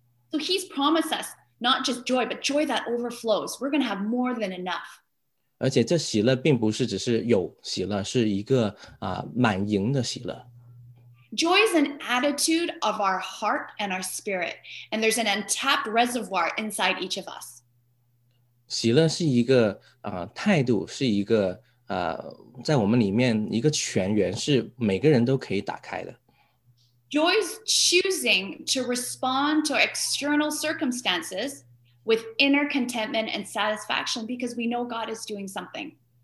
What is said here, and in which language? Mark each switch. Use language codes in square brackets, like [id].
[en] So he's promised us not just joy, but joy that overflows. We're going to have more than enough. [zh] 而且这喜乐并不是只是有喜乐，是一个满盈的喜乐。 [en] Joy is an attitude of our heart and our spirit, and there's an untapped reservoir inside each of us. [zh] 喜乐是一个态度，是一个在我们里面一个泉源，是每个人都可以打开的。 [en] Joy's choosing to respond to external circumstances with inner contentment and satisfaction because we know God is doing something.